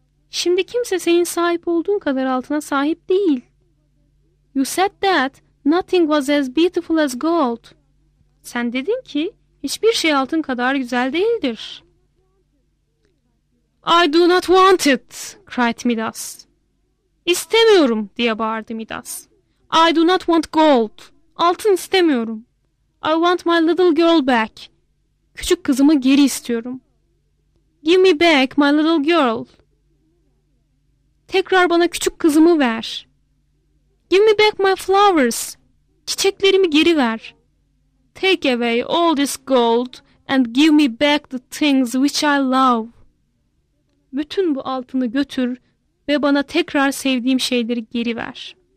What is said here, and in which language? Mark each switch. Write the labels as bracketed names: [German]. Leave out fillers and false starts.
[Turkish] Şimdi kimse senin sahip olduğun kadar altına sahip değil. [English] You said that nothing was as beautiful as gold. [Turkish] Sen dedin ki hiçbir şey altın kadar güzel değildir. [English] I do not want it, cried Midas. [Turkish] İstemiyorum, diye bağırdı Midas. [English] I do not want gold. [Turkish] Altın istemiyorum. [English] I want my little girl back. [Turkish] Küçük kızımı geri istiyorum. [English] Give me back my little girl. [Turkish] Tekrar bana küçük kızımı ver. [English] Give me back my flowers. [Turkish] Çiçeklerimi geri ver. [English] Take away all this gold and give me back the things which I love. [Turkish] Bütün bu altını götür ve bana tekrar sevdiğim şeyleri geri ver.